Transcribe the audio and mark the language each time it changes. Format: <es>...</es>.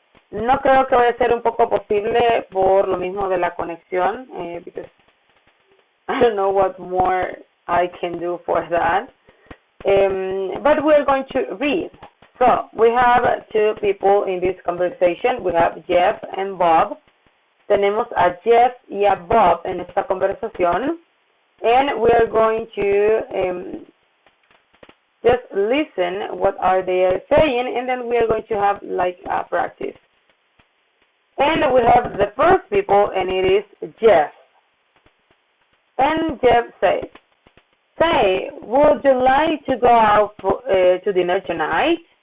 <es>No creo que vaya a ser un poco posible por lo mismo de la conexión,</es> <en>because I don't know what more I can do for that. But we are going to read. So, we have two people in this conversation. We have Jeff and Bob.</en> <es>Tenemos a Jeff y a Bob en esta conversación.</es> <en>And we are going to just listen what are they saying, and then we are going to have like a practice. And we have the first people, and it is Jeff. And Jeff says, "Say, would you like to go out to dinner tonight?"</en>